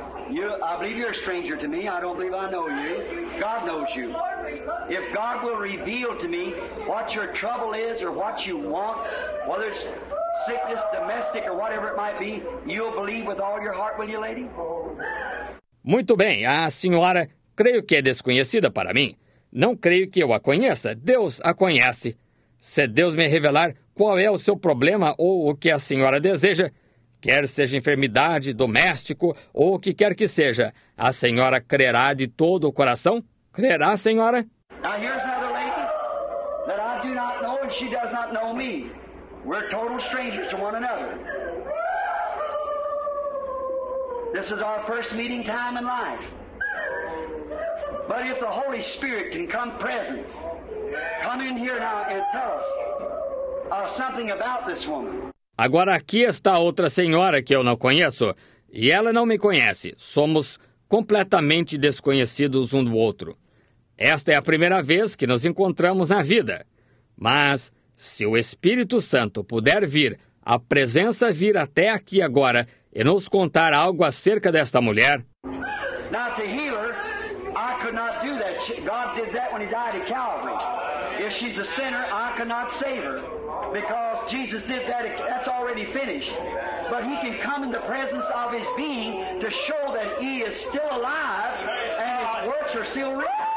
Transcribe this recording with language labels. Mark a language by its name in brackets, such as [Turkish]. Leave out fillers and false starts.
[English] You, I believe you're a stranger to me. I don't believe I know you. God knows you. If God will reveal to me what your trouble is or what you want, whether it's sickness, domestic or whatever it might be, you'll believe with all your heart, will you, lady? [Portuguese] Muito bem. A senhora, creio que é desconhecida para mim. Não creio que eu a conheça. Deus a conhece. Se Deus me revelar qual é o seu problema ou o que a senhora deseja, quer seja enfermidade, doméstico ou o que quer que seja, a senhora crerá de todo o coração? Crerá, senhora? [English] Now here's another lady that I do not know and she does not know me. We're total strangers to one another. This is our first meeting time in life. But if the Holy Spirit can come present, come in here now and tell us something about this woman. [Portuguese] Agora aqui está outra senhora que eu não conheço, e ela não me conhece. Somos completamente desconhecidos um do outro. Esta é a primeira vez que nos encontramos na vida. Mas, se o Espírito Santo puder vir, a presença vir até aqui agora e nos contar algo acerca desta mulher... [English] Now, to heal her, I could not do that. God did that when he died at Calvary. If she's a sinner, I could not save her. Because Jesus did that, that's already finished. But he can come in the presence of his being to show that he is still alive and his works are still real.